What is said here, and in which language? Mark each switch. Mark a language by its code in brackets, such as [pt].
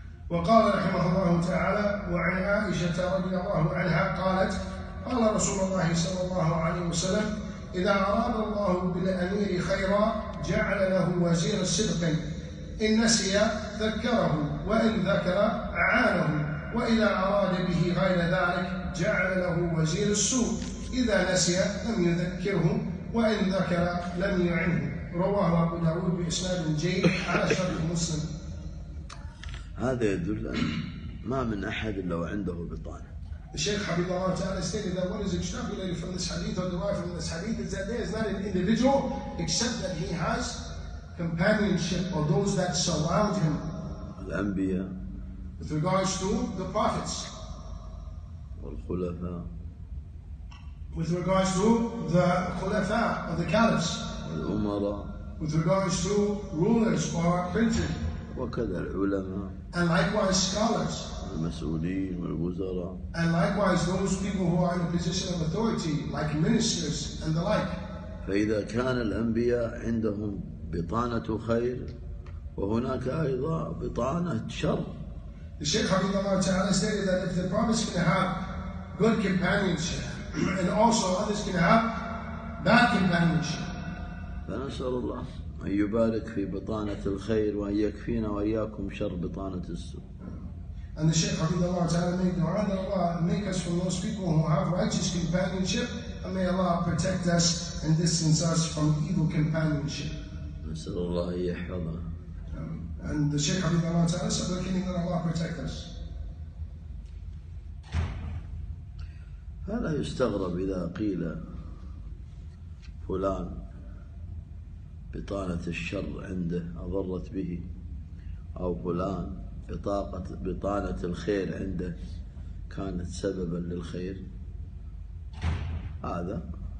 [ar] وقال رحمه الله تعالى وعن عائشة رضي الله عنها قالت قال رسول الله صلى الله عليه وسلم إذا أراد الله بالأمير خيرا جعل له وزير صدق, إن نسي ذكره وإن ذكر عانه, وإذا أراد به غير ذلك جعل له وزير السوء, إذا نسي لم يذكره وإن ذكر لم يعنه. رواه أبو داود بإسناد جيد على شرط مسلم. هذا يدل أن ما من أحد إلا وعنده بطانة. الشيخ حبيب الله تعالى [en] stated that what is extrapolated from this hadith or derived from this hadith is that there is not an individual except that he has companionship or those that surround him. [ar] الأنبياء. [en] With regards to the prophets. [ar] والخلفاء. [en] With regards to the خلفاء or the caliphs. [ar] الأمراء. [en] With regards to rulers or princes. [ar] وكذا العلماء. [en] And likewise scholars. [ar] المسؤولين والوزراء. [en] And likewise those people who are in a position of authority, like ministers and the like. [ar] فإذا كان الأنبياء عندهم بطانة خير وهناك أيضا بطانة شر. [en] The Shaykh Habib Allah Ta'ala stated that if the prophets can have good companionship, and also others can have bad companionship. [ar] فنسأل الله أن يبارك في بطانة الخير وأن يكفينا وإياكم شر بطانة السوء. [en] And the Shaykh Hafidh Allah Ta'ala made dua that Allah make us from those people who have righteous companionship, and may Allah protect us and distance us from evil companionship. [ar] نسأل الله أن يحفظنا. [en] And the Shaykh Hafidh Allah Ta'ala said, we're kidding, that Allah protect us. [ar] هذا يستغرب إذا قيل فلان بطانة الشر عنده أضرت به، أو فلان بطانة الخير عنده كانت سببا للخير، هذا